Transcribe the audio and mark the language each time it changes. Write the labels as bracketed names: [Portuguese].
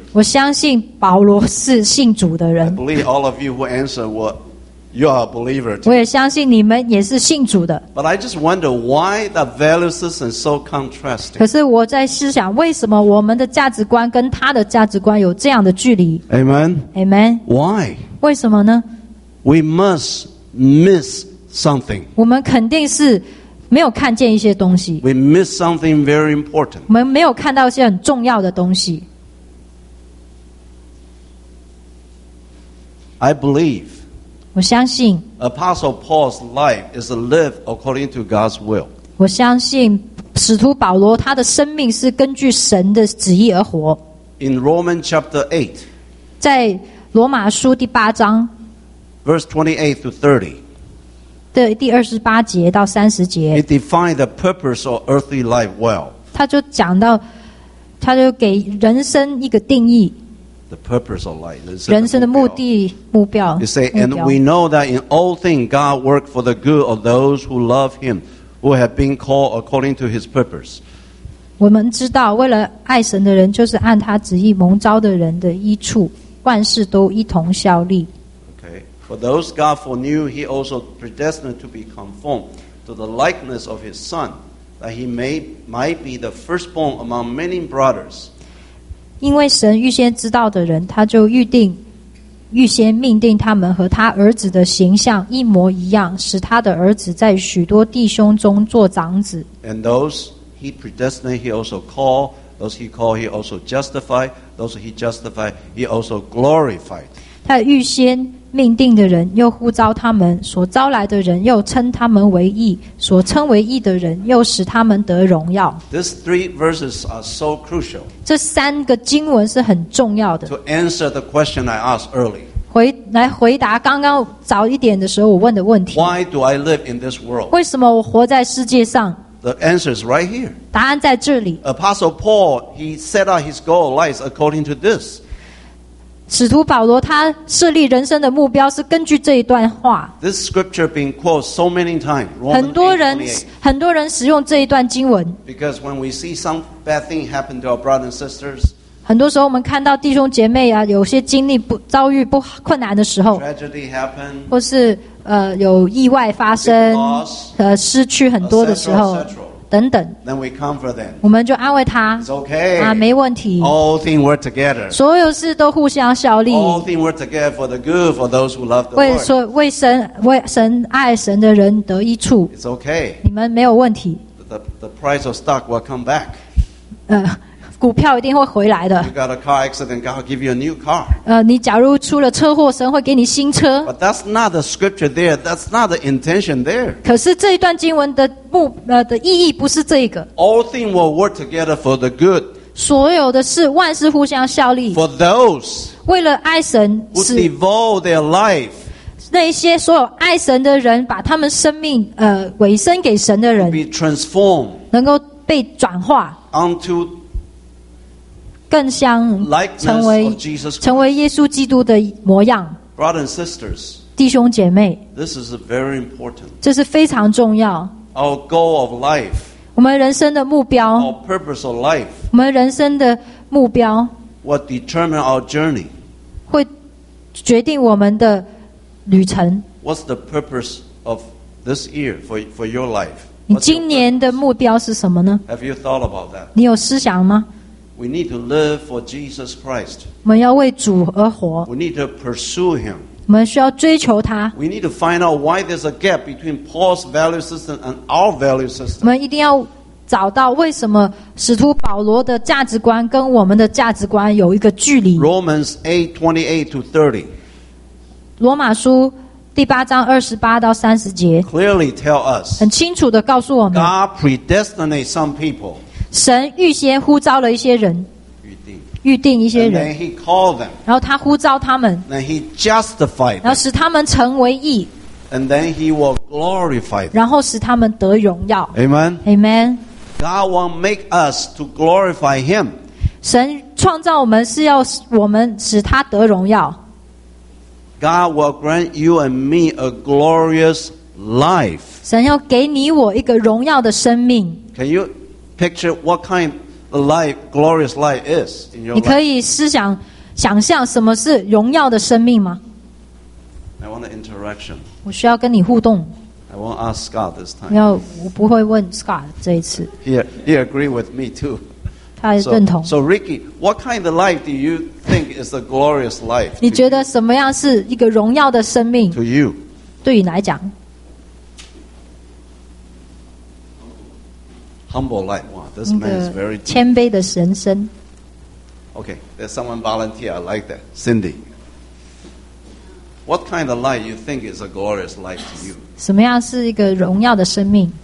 [Chinese] 我相信保罗是信主的人。 [English] I believe all of you who answer what you are a believer. [Chinese] 我也相信你们也是信主的。 [English] But I just wonder why the value system is so contrasting. [Chinese] 可是我在思想，为什么我们的价值观跟他的价值观有这样的距离？ [English] Amen. Amen. Why? [Chinese] 为什么呢？ [English] We must miss something. [Chinese] 我们肯定是没有看见一些东西。 [English] We miss something very important. [Chinese] 我们没有看到一些很重要的东西。 [English] I believe. [Chinese] 我相信 [English] Apostle Paul's life is lived according to God's will. [Chinese] 我相信使徒保罗他的生命是根据神的旨意而活。 [English] In Romans chapter 8, [Chinese] 在罗马书第八章 [English] verse 28 to 30, [Chinese] 第28节到30节 [English] it defines the purpose of earthly life well. [Chinese] 他就讲到，他就给人生一个定义。 [English] The purpose of life. [Chinese] 人生的目的目标。 [English] You say, and we know that in all things God works for the good of those who love Him, who have been called according to His purpose. [Chinese] 我们知道，为了爱神的人，就是按他旨意蒙召的人的益处，万事都一同效力。 [English] Okay, for those God foreknew, He also predestined to be conformed to the likeness of His Son, that He might be the firstborn among many brothers. [Chinese] 因为神预先知道的人，他就预定、预先命定他们和他儿子的形象一模一样，使他的儿子在许多弟兄中做长子。 [English] And those he predestined, he also called; those he called, he also justified; those he justified, he also glorified. [Chinese] 他预先命定的人又呼召他们，所招来的人又称他们为义，所称为义的人又使他们得荣耀。 [English] These three verses are so crucial. [Chinese] 这三个经文是很重要的。 [English] To answer the question I asked early. [Chinese] 来回答刚刚早一点的时候我问的问题。 [English] Why do I live in this world? [Chinese] 为什么我活在世界上？ [English] The answer is right here. [Chinese] 答案在这里。 [English] Apostle Paul, he set out his goal of life according to this. [Chinese] 使徒保罗他设立人生的目标是根据这一段话。 [English] This scripture being quoted so many times. [Chinese] 很多人使用这一段经文。 [English] Because when we see some bad thing happen to our brothers and sisters, [Chinese] 很多时候我们看到弟兄姐妹啊，有些经历不遭遇不困难的时候 [English] ，tragedy happen， [Chinese] 或是有意外发生， [English] loss, [Chinese] 失去很多的时候。等等 [English] then we comfort them. [Chinese] 我们就安慰他 [English] It's okay. [Chinese] 啊，没问题 [English] All things work together. [Chinese] 所有事都互相效力 [English] All things work together for the good for those who love the Lord. [Chinese] 为神爱神的人得益处 [English] It's okay. [Chinese] 你们没有问题 [English] the price of stock will come back. [Chinese] 股票一定会回来的 [English] You got a car accident, God will give you a new car. [Chinese] 你假如出了车祸，神会给你新车 [English] But that's not the scripture there. That's not the intention there. [Chinese] 可是这一段经文的的意义不是这个 [English] All things will work together for the good. [Chinese] 所有的事，万事互相效力 [English] For those [Chinese] 为了爱神 [English] Who devote their life [Chinese] 那些所有爱神的人把他们生命委身给神的人 [English] Be transformed [Chinese] 能够被转化 [English] Unto [Chinese] 更像成为耶稣基督的模样。 [English] Brothers and sisters, [Chinese] 弟兄姐妹。 [English] This is very important. [Chinese] 这是非常重要。 [English] Our goal of life. [Chinese] 我们人生的目标。 [English] Our purpose of life. [Chinese] 我们人生的目标。 [English] What determine our journey? [Chinese] 会决定我们的旅程。 [English] What's the purpose of this year for your life? [Chinese] 你今年的目标是什么呢？ [English] Have you thought about that? [Chinese] 你有思想吗？ [English] We need to live for Jesus Christ. [Chinese] 我们要为主而活。 [English] We need to pursue Him. [Chinese] 我们需要追求他。 [English] We need to find out why there's a gap between Paul's value system and our value system. [Chinese] 我们一定要找到为什么使徒保罗的价值观跟我们的价值观有一个距离。 [English] Romans 8:28-30. [Chinese] 罗马书第八章二十八到三十节。 [English] Clearly tell us. [Chinese] 很清楚的告诉我们。 [English] God predestinates some people. [Chinese] 神预先呼召了一些人，预定一些人， [English] then he called them, [Chinese] 然后他呼召他们， [English] then he justified them, [Chinese] 然后使他们成为义， [English] and then he will glorify them, [Chinese] 然后使他们得荣耀。 [English] Amen. Amen. God will make us to glorify him. [Chinese] 神创造我们是要我们使他得荣耀。 [English] God will grant you and me a glorious life. [Chinese] 神要给你我一个荣耀的生命。 [English] Can you? Picture what kind of life, glorious life is in your life. [Chinese] 你可以思想想象什么是荣耀的生命吗？ [English] I want an interaction. [Chinese] 我需要跟你互动。 [English] I won't ask Scott this time. [Chinese] 没有，我不会问 Scott 这一次。 [English] He agreed with me too. [Chinese] 他也认同。 [English] So Ricky, what kind of life do you think is a glorious life? [Chinese] 你觉得什么样是一个荣耀的生命 [English] ？To you, [Chinese] 对你来讲。 [English] Humble life. Wow, this man is very [Chinese] 谦卑的人生。 [English] Okay, there's someone volunteer. I like that, Cindy. What kind of life you think is a glorious life to you? [Chinese] 什么样是一个荣耀的生命？